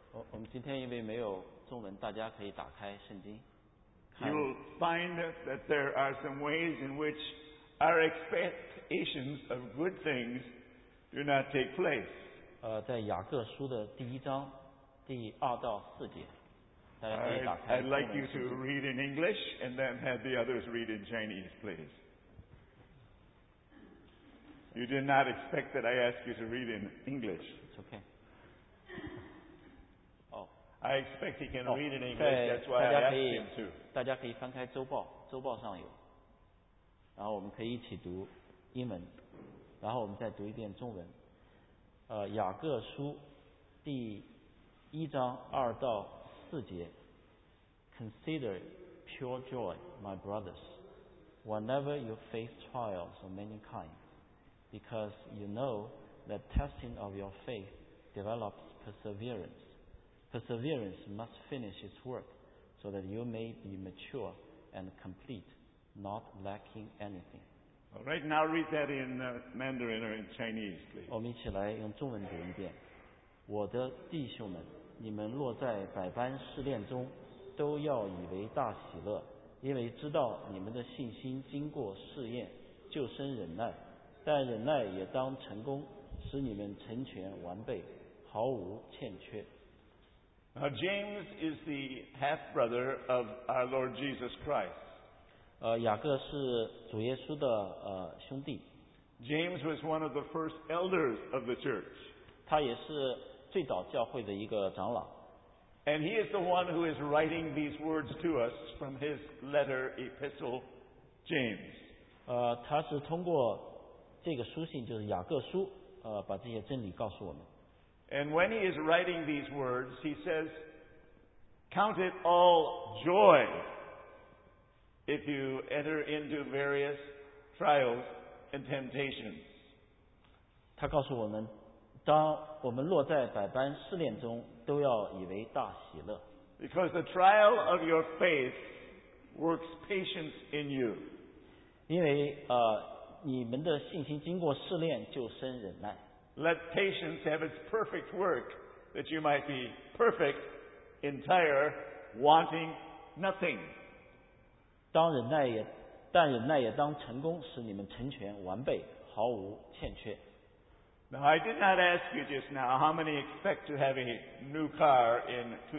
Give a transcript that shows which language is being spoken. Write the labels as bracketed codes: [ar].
[zh] 我们今天因为没有中文, 大家可以打开圣经, 看, [en] you will find that there are some ways in which our expectations of good things do not take place. [zh] 在雅各书的第一章, 第2到4节, [en] I'd like you to read in English and then have the others read in Chinese, please. You did not expect that I asked you to read in English. It's okay. I expect he can read in English, that's why I asked him to. [zh] 大家可以翻开周报, 周报上有, 然后我们可以一起读英文, 然后我们再读一遍中文, 雅各书第一章二到四节, [en] Consider pure joy, my brothers, whenever you face trials of many kinds, because you know that testing of your faith develops perseverance. Perseverance must finish its work so that you may be mature and complete, not lacking anything. All right, now read that in Mandarin or in Chinese, please. [zh] 我们一起来用中文读一遍。我的弟兄们, 你们落在百般试炼中, 都要以为大喜乐, 因为知道你们的信心经过试验, 就生忍耐, 但忍耐也当成功, 使你们成全完备, 毫无欠缺。 [en] Now James is the half-brother of our Lord Jesus Christ. [zh] 雅各是主耶稣的, [en] James was one of the first elders of the church. [zh] 他也是最早教会的一个长老。 [en] And he is the one who is writing these words to us from his letter epistle, James. [zh] 他是通过这个书信，就是雅各书, 把这些真理告诉我们。 [en] And when he is writing these words, he says, Count it all joy if you enter into various trials and temptations. [zh] 他告诉我们, 当我们落在百般试炼中, 都要以为大喜乐。 [en] Because the trial of your faith works patience in you. [zh] 因为, 你们的信心经过试炼就生忍耐。 [en] Let patience have its perfect work, that you might be perfect, entire, wanting nothing. [zh] 当忍耐也, 但忍耐也当成功, 使你们成全完备, 毫无欠缺。 [en] Now, I did not ask you just now how many expect to have a new car in